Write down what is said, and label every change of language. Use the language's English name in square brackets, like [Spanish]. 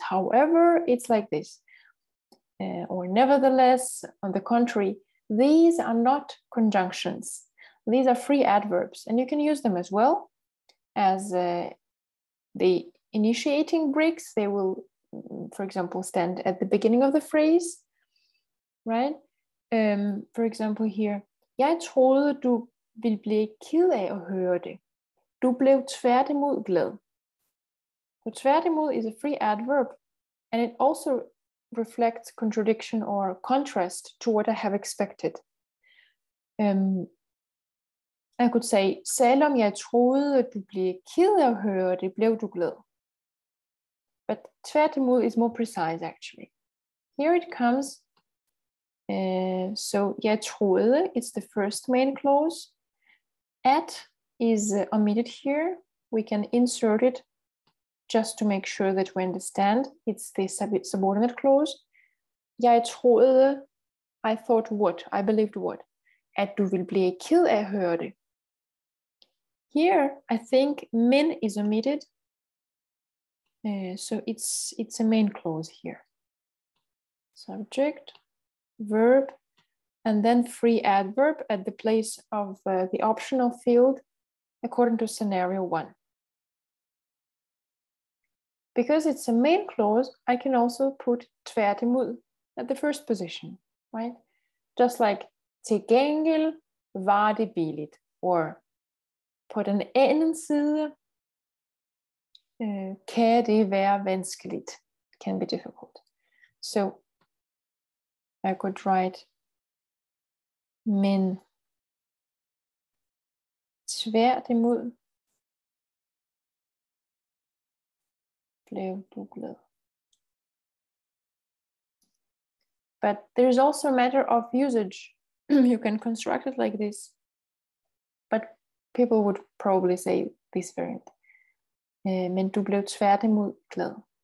[English] However, it's like this. Or nevertheless, on the contrary, these are not conjunctions. These are free adverbs, and you can use them as well as the initiating bricks. They will, for example, stand at the beginning of the phrase, right? For example, here, [Danish] jeg troede, du ville blive ked af at høre det. Du blev tværtimod glad. [English] So tværtimod is a free adverb, and it also reflects contradiction or contrast to what I have expected. I could say, [Danish] selvom jeg troede, at du blev ked af at høre det, blev du glad. [English] But tværtimod is more precise, actually. Here it comes. So, [Danish] jeg troede, [English] it's the first main clause. At is omitted here. We can insert it just to make sure that we understand. It's the subordinate clause. [Danish] Jeg troede, [English] I thought what, I believed what. [Danish] At du ville blive ked af at høre det. [English] Here, I think min is omitted. So it's a main clause here. Subject, verb, and then free adverb at the place of the optional field according to scenario one. Because it's a main clause, I can also put tværtimod at the first position, right? Just like [Danish] til gengæld var det billigt, or på den anden side, kan det være vanskeligt, [English] can be difficult. So I could write, [Danish] men tværtimod blev du glad. [English] But there is also a matter of usage. You can construct it like this, but people would probably say this variant. [Danish] Men du blev tværtimod glad.